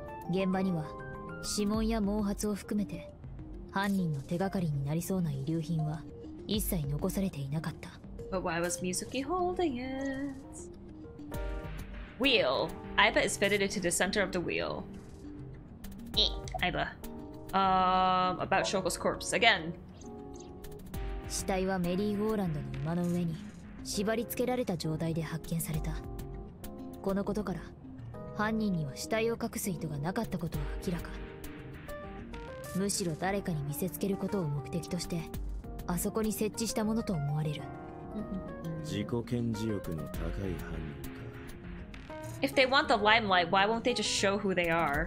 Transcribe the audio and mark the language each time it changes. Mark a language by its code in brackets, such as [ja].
[ja] 現場には指紋や毛髪を含めて犯人の手がかりになりそうな遺留品は一切残されていなかった。 [en] But why was Mizuki holding it? Wheel. Aiba is fitted into the center of the wheel. Aiba. About Shoko's corpse again. [ja] 死体はメリーゴーランドの馬の上に。縛り付けられた状態で発見された。このことから犯人には死体を隠す意図がなかったことは明らか。むしろ誰かに見せつけることを目的としてあそこに設置したものと思われる。自己顕示欲の高い犯人か。 [en] If they want the limelight, why won't they just show who they are?